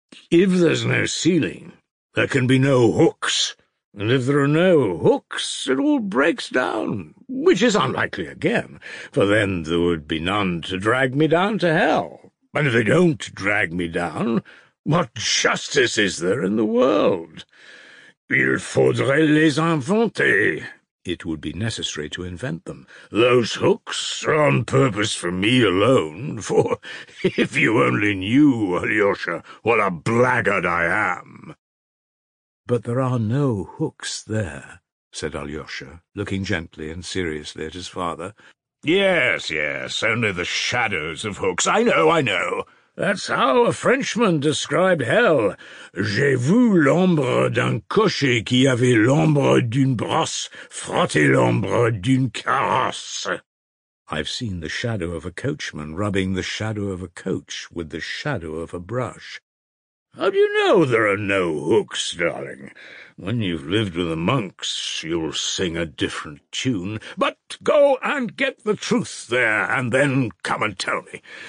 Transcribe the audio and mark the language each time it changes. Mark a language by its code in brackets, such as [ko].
[en] If there's no ceiling, there can be no hooks. And if there are no hooks, it all breaks down, which is unlikely again, for then there would be none to drag me down to hell. And if they don't drag me down, what justice is there in the world? [fr] Il faudrait les inventer. [en] It would be necessary to invent them. Those hooks are on purpose for me alone, for if you only knew, Alyosha, what a blackguard I am. But there are no hooks there, said Alyosha, looking gently and seriously at his father. Yes, yes, only the shadows of hooks. I know, I know. That's how a Frenchman described hell. [fr] J'ai vu l'ombre d'un cocher qui avait l'ombre d'une brosse frotter l'ombre d'une carrosse. [en] I've seen the shadow of a coachman rubbing the shadow of a coach with the shadow of a brush. How do you know there are no hooks, darling? When you've lived with the monks, you'll sing a different tune. But go and get the truth there, and then come and tell me.